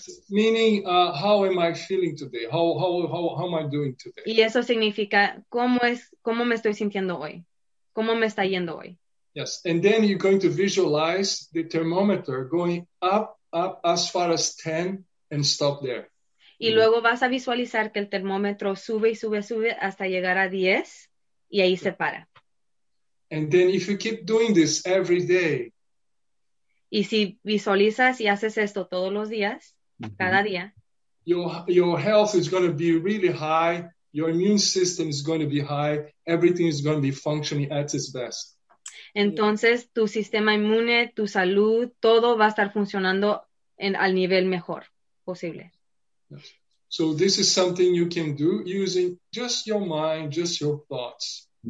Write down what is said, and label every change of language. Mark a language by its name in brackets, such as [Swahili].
[English] Meaning, how am I feeling today? How am I doing today? [Spanish] Y eso significa, ¿cómo me estoy sintiendo hoy? ¿Cómo me está yendo hoy? [English] Yes, and then you're going to visualize the thermometer going up as far as 10 and stop there. [Spanish] Y luego vas a visualizar que el termómetro sube y sube, sube hasta llegar a 10 y ahí se para. [English] And then if you keep doing this every day. [Spanish] Y si visualizas y haces esto todos los días, cada día. [English] Your health is going to be really high. Your immune system is going to be high. Everything is going to be functioning at its best. [Spanish] Entonces, tu sistema inmune, tu salud, todo va a estar funcionando al nivel mejor posible. [English] So this is something you can do using just your mind, just your thoughts.